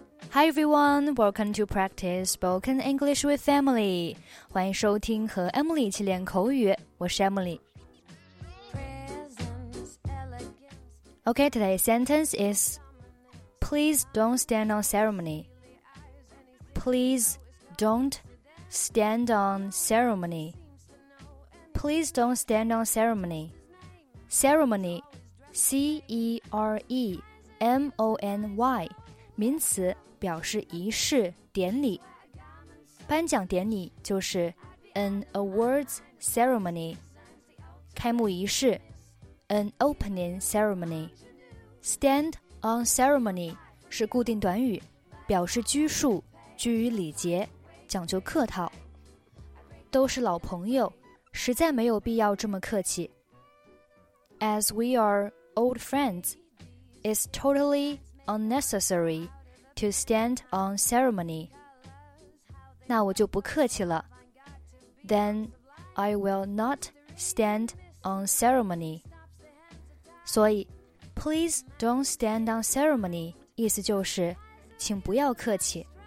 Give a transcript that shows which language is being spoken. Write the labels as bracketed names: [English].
[English] Hi everyone, welcome to Practice Spoken English with Emily. [Chinese] 欢迎收听和 Emily 一起练口语，我是 Emily. [English] Okay, today's sentence is Please don't stand on ceremony. Please don't stand on ceremony. Please don't stand on ceremony. Ceremony, C-E-R-E-M-O-N-Y. [Chinese] 名词表示仪式、典礼。颁奖典礼就是 [English] an awards ceremony， [Chinese] 开幕仪式 [English] an opening ceremony。 Stand on ceremony [Chinese] 是固定短语，表示拘束、拘于礼节、讲究客套。都是老朋友，实在没有必要这么客气。 [English] As we are old friends, it's totally unnecessary. To stand on ceremony. [Chinese] 那我就不客气了。 [English] Then I will not stand on ceremony. [Chinese] 所以 [English] please don't stand on ceremony [Chinese] 意思就是请不要客气。